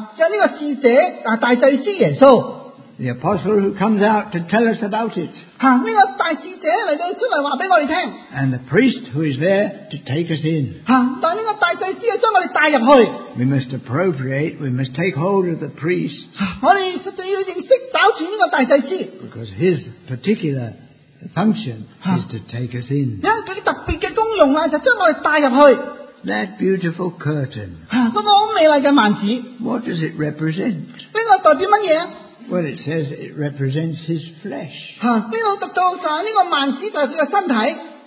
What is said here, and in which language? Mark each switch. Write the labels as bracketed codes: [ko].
[zh] 应该思想,我们的这个使者,大祭司耶稣, [en] the apostle who comes out to tell us about it. [zh] 啊,这个大祭司来到出来告诉我们, [en] and the priest who is there to take us in. [zh] 啊,但这个大祭司将我们带入去, [en] we must appropriate, we must take hold of the priest. [zh] 啊,我们实际要认识,找出这个大祭司, [en] because his particular the function is to take us in. [zh] 因为它的特别的功用啊,就将我们带入去。 [en] That beautiful curtain. [zh] 那个很美丽的幔子, [en] what does it represent? [zh] 这个代表什么? [en] Well, it says it represents his flesh. [zh] 这个读到这个幔子就是他的身体。